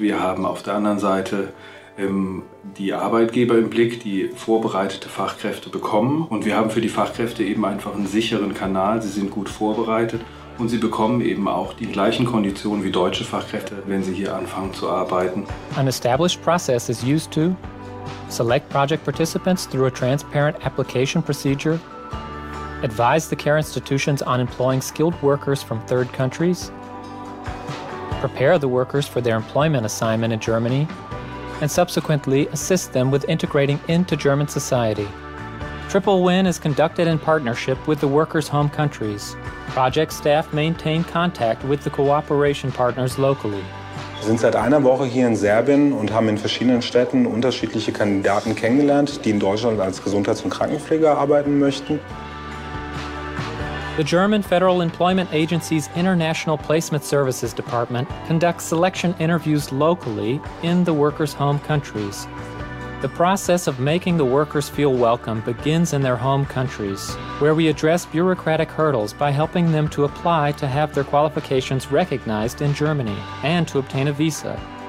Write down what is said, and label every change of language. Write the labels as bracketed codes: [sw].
[de] Wir haben auf der anderen Seite die Arbeitgeber im Blick, die vorbereitete Fachkräfte bekommen. Und wir haben für die Fachkräfte eben einfach einen sicheren Kanal. Sie sind gut vorbereitet. Und sie bekommen eben auch die gleichen Konditionen wie deutsche Fachkräfte, wenn sie hier anfangen zu arbeiten. [en] An established process is used to select project participants through a transparent application procedure, advise the care institutions on employing skilled workers from third countries, prepare the workers for their employment assignment in Germany, and subsequently assist them with integrating into German society. Triple Win is conducted in partnership with the workers' home countries. Project staff maintain contact with the cooperation partners locally. [de] Wir sind seit einer Woche hier in Serbien und haben in verschiedenen Städten unterschiedliche Kandidaten kennengelernt, die in Deutschland als Gesundheits- und Krankenpfleger arbeiten möchten. [en] The German Federal Employment Agency's International Placement Services Department conducts selection interviews locally in the workers' home countries. The process of making the workers feel welcome begins in their home countries, where we address bureaucratic hurdles by helping them to apply to have their qualifications recognized in Germany and to obtain a visa.